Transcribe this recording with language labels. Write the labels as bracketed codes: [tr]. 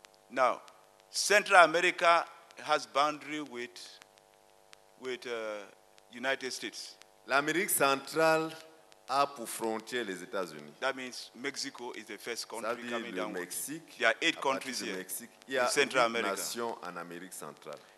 [en] Now, Central America has boundary with United States. [fr] L'Amérique centrale a pour frontière les États-Unis. [en] That means Mexico is the first country coming down. [fr] Ça veut dire le Mexique. [en] There are 8 countries here. [fr] Mexique, il y a 8 nations en Amérique centrale.